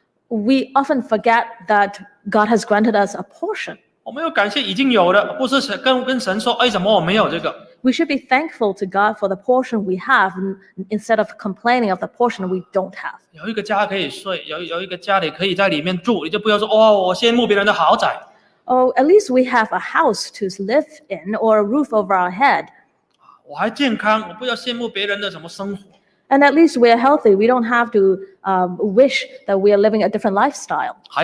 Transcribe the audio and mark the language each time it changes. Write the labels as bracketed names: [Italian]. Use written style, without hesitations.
[English] We often forget that God has granted us a portion. [Chinese] 我们要感谢已经有的，不是跟神说，哎，怎么我没有这个？ [English] We should be thankful to God for the portion we have instead of complaining of the portion we don't have. [Chinese] 有一个家可以睡，有一个家里可以在里面住，你就不要说哦，我羡慕别人的豪宅。 [English] Oh, at least we have a house to live in or a roof over our head. [Chinese] 我还健康，我不要羡慕别人的什么生活。 [English] And at least we are healthy. We don't have to wish that we are living a different lifestyle.